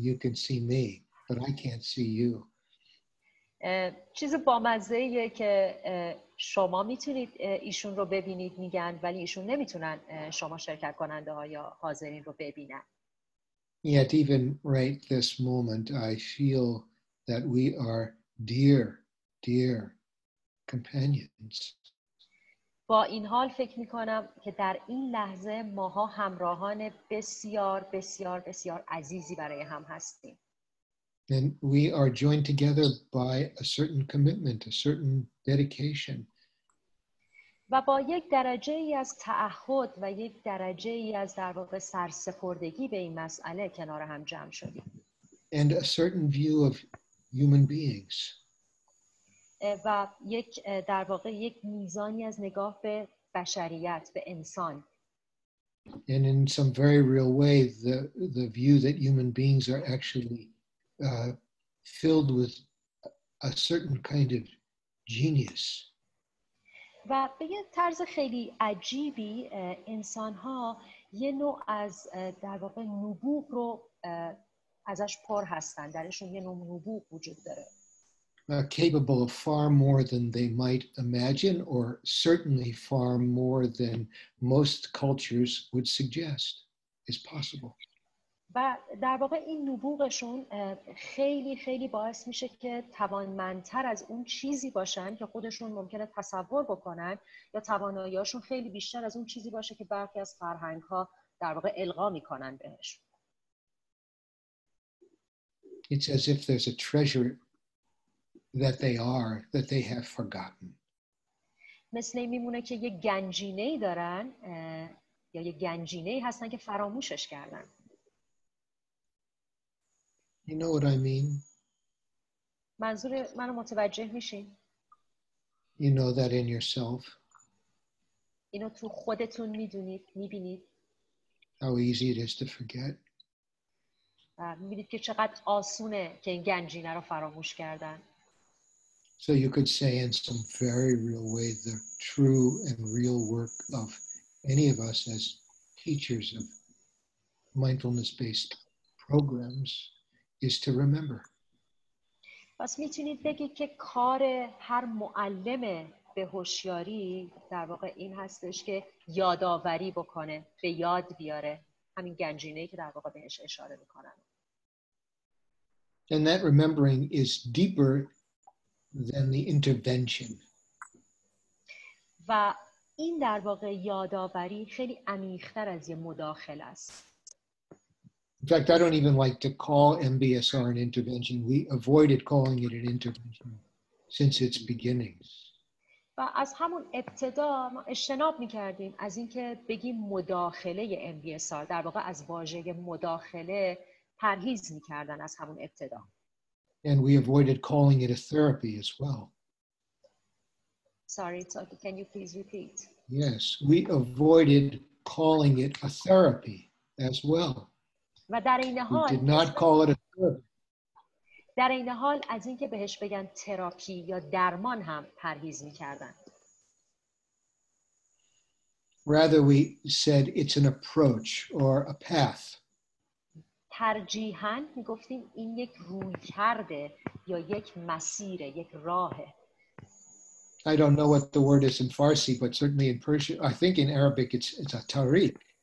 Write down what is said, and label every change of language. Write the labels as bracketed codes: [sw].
[en] You can see me, but I can't see you. [fa] چیز بامزه‌ایه که شما میتونید ایشون رو ببینید میگن، ولی ایشون نمیتونن شما شرکت کننده ها یا حاضرین رو ببینن. [en] Yet even right this moment I feel that we are dear companions. [fa] با این حال فکر میکنم که در این لحظه ماها همراهان بسیار بسیار بسیار عزیزی برای هم هستیم. [en] And we are joined together by a certain commitment, a certain dedication. [fa] و با یک درجه ای از تعهد و یک درجه ای از در واقع سرسپردگی به این مسئله کنار هم جمع شدیم. [en] And a certain view of human beings. [fa] و یک در واقع یک میزانی از نگاه به بشریت، به انسان. [en] And in some very real way, the view that human beings are actually filled with a certain kind of genius. [fa] و به یه طرز خیلی عجیبی انسان‌ها یه نوع از در واقع نبوغ رو ازش پر هستن، درشون یه نوع نبوغ وجود داره. [en] Capable of far more than they might imagine or certainly far more than most cultures would suggest is possible. [fa] و در واقع این نبوغشون خیلی خیلی باعث میشه که توانمندتر از اون چیزی باشن که خودشون ممکنه تصور بکنن، یا تواناییاشون خیلی بیشتر از اون چیزی باشه که برخی از فرهنگ‌ها در واقع القا میکنن بهش. [en] It's as if there's a treasure that they are that they have forgotten. [fa] مثل این میمونه که یه گنجینه‌ای دارن یا یه گنجینه‌ای هستن که فراموشش کردن. [en] You know what I mean? [fa] منظور منو متوجه میشین؟ [en] You know that in yourself. [fa] اینو تو خودتون میدونید، میبینید. [en] How easy it is to forget. [fa] میبینید که چقدر آسونه که این گنجینه رو فراموش کردن. [en] So you could say in some very real way the true and real work of any of us as teachers of mindfulness-based programs is to remember. [fa] پس میتونید بگید که کار هر معلم به هوشیاری در واقع این هستش که یادآوری بکنه، به یاد بیاره همین گنجینه‌ای که در واقع بهش اشاره می‌کنن. [en] And that remembering is deeper than the intervention. [fa] و این در واقع یادآوری خیلی عمیق‌تر از یه مداخله است. [en] In fact, I don't even like to call MBSR an intervention. We avoided calling it an intervention since its beginnings. [fa] و از همون ابتدا ما اجتناب می‌کردیم از اینکه بگیم مداخله MBSR، در واقع از واژه مداخله پرهیز می‌کردن از همون ابتدا. [en] And we avoided calling it a therapy as well. Sorry, can you please repeat? Yes, we avoided calling it a therapy as well. [fa] و در این حال [en] we did not call it a [fa] در این حال از اینکه بهش بگن تراپی یا درمان هم پرهیز می‌کردن. [en] Rather we said it's an approach or a path. [fa] ترجیحاً می‌گفتیم این یک رویکرد یا یک مسیر، یک راهه. [en] I don't know what the word is in Farsi, but certainly in Persian, I think in Arabic it's a tariq.